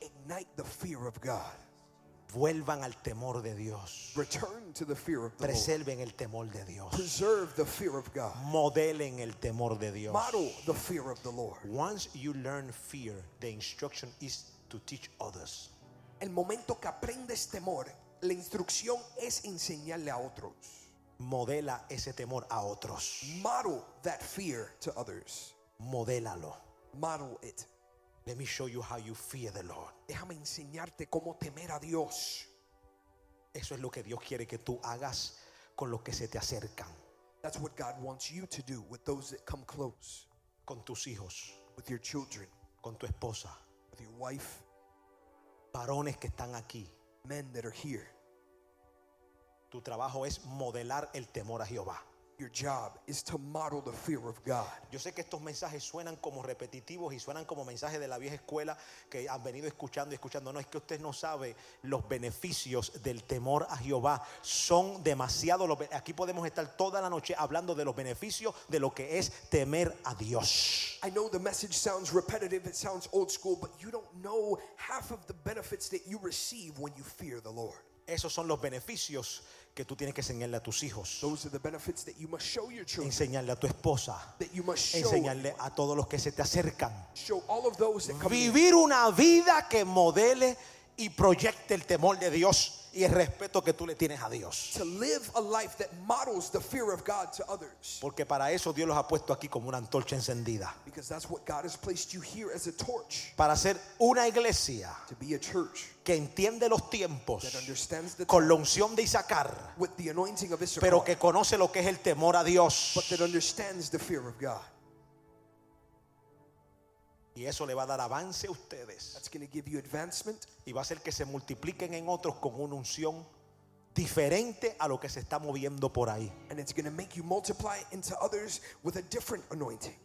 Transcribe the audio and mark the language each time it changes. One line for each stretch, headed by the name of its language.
English: Ignite the fear of God.
Spanish: Vuelvan al temor de Dios.
English: Return to the fear of the
Spanish: Preserven
English: Lord.
Spanish: El temor de Dios.
English: Preserve the fear of God.
Spanish: Modelen el temor de Dios.
English: Model the fear of the Lord. Once you learn fear, the instruction is to teach others.
Spanish: El momento que aprendes temor, la instrucción es enseñarle a otros. Modela ese temor a otros.
English: Model that fear to others.
Spanish: Modélalo.
English: Model it. Let me show you how you fear the Lord.
Spanish: Déjame enseñarte cómo temer a Dios. Eso es lo que Dios quiere que tú hagas con los que se te acercan.
English: That's what God wants you to do with those that come close.
Spanish: Con tus hijos.
English: With your children.
Spanish: Con tu esposa.
English: With your wife.
Spanish: Varones que están aquí.
English: Men that are here.
Spanish: Tu trabajo es modelar el temor a Jehová.
English: Your job is to model the fear of God.
Spanish: Yo sé que estos mensajes suenan como repetitivos y suenan como mensajes de la vieja escuela que han venido escuchando y escuchando. No, es que usted no sabe los beneficios del temor a Jehová. Son demasiado. Aquí podemos estar toda la noche hablando de los beneficios de lo que es temer a Dios.
English: I know the message sounds repetitive, it sounds old school, but you don't know half of the benefits that you receive when you fear the Lord.
Spanish: Esos son los beneficios que tú tienes que enseñarle a tus hijos.
English: Those are the benefits that you must show your children.
Spanish: Enseñarle a tu esposa.
English: That you must show.
Spanish: Enseñarle a todos los que se te acercan.
English: Show all of those that come.
Spanish: Vivir una vida que modele y proyecte el temor de Dios y el respeto que tú le tienes a Dios.
English: To live a life that models the fear of God to others.
Spanish: Porque para eso Dios los ha puesto aquí como una antorcha encendida.
English: Because that's what God has placed you here as a torch.
Spanish: Para ser una iglesia.
English: To be a church.
Spanish: Que entiende los tiempos.
English: That understands the time.
Spanish: Con la unción de Issacar.
English: With the anointing of Issacar.
Spanish: Pero que conoce lo que es el temor a Dios.
English: But that understands the fear of God.
Spanish: Y eso le va a dar avance a ustedes.
English: That's going to give you advancement.
Spanish: Y va a hacer que se multipliquen en otros con una unción diferente a lo que se está moviendo por ahí.
English: And it's going to make you multiply into others with a different anointing.